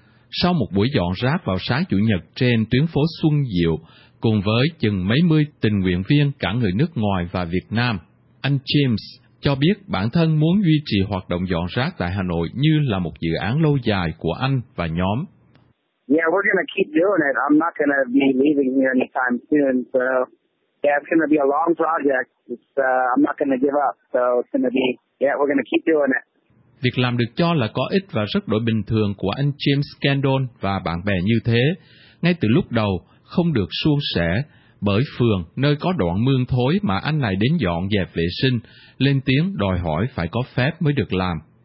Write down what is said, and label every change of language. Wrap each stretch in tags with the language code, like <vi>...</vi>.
<vi>Sau một buổi dọn rác vào sáng Chủ nhật trên tuyến phố Xuân Diệu, cùng với chừng mấy mươi tình nguyện viên cả người nước ngoài và Việt Nam, anh James cho biết bản thân muốn duy trì hoạt động dọn rác tại Hà Nội như là một dự án lâu dài của anh và nhóm.</vi> <en>Yeah, we're gonna keep doing it. I'm not gonna be leaving here anytime soon. So, yeah, it's gonna be a long project. I'm not gonna give up. So it's gonna be, yeah, we're gonna keep doing it.</en> <vi>Việc làm được cho là có ích và rất đổi bình thường của anh James Kendall và bạn bè như thế. Ngay từ lúc đầu không được suôn sẻ bởi phường nơi có đoạn mương thối mà anh này đến dọn dẹp vệ sinh lên tiếng đòi hỏi phải có phép mới được làm.</vi>